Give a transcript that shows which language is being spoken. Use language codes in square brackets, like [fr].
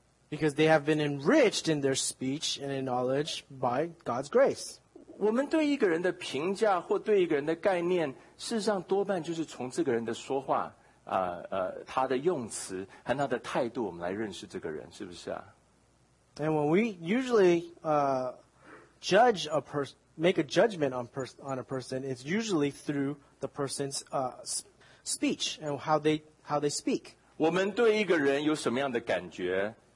[en] Because they have been enriched in their speech and in knowledge by God's grace. [zh] 我们对一个人的评价或对一个人的概念，事实上多半就是从这个人的说话、他的用词和他的态度，我们来认识这个人，是不是啊？ [en] And when we usually make a judgment on a person, it's usually through the person's speech and how they speak. [zh] 我们对一个人有什么样的感觉？